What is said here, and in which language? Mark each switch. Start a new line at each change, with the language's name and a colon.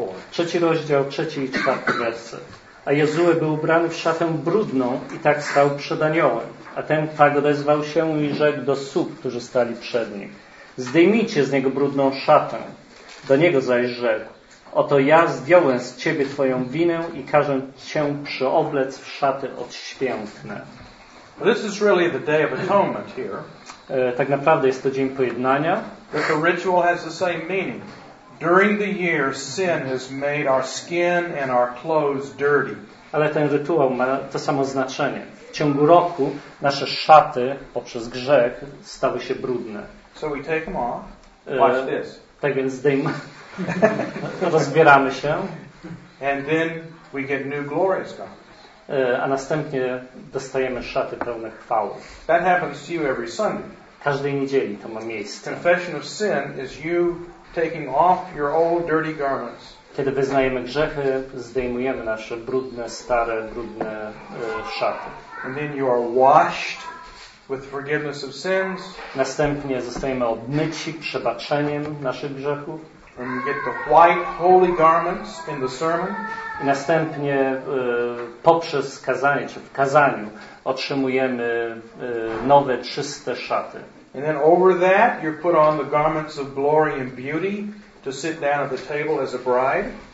Polish: Trzeci rozdział, trzeci i czwarty werset. A Jozue był ubrany w szatę brudną i tak stał przed aniołem. A ten tak odezwał się i rzekł do sług, którzy stali przed nim. Zdejmijcie z niego brudną szatę. Do niego zaś rzekł. Oto ja zdjąłem z ciebie twoją winę i każę cię przyoblec w szaty odświętne.
English: This is really the day of atonement here.
Polish: Tak naprawdę jest to dzień pojednania.
English: But the ritual has the same meaning. During the year, sin has made our skin and our clothes dirty.
Polish: Ale ten rytuał ma to samo znaczenie. W ciągu roku nasze szaty poprzez grzech stały się brudne.
English: So we take them off. Watch this.
Polish: Tak więc rozbieramy się.
English: And then we get new glorious garments.
Polish: A następnie dostajemy szaty pełne chwały.
English: That happens to you every Sunday.
Polish: Każdej niedzieli to ma miejsce.
English: Confession of sin is you taking off your old dirty garments.
Polish: Kiedy wyznajemy grzechy, zdejmujemy nasze brudne, stare, brudne szaty.
English: And then you are washed with forgiveness of sins.
Polish: Następnie zostajemy obmyci przebaczeniem naszych grzechów.
English: And you get the white holy garments in the sermon.
Polish: I następnie poprzez kazanie, czy w kazaniu, otrzymujemy nowe, czyste szaty.
English: And then over that you're put on the garments of glory and beauty to sit down at the table as a bride.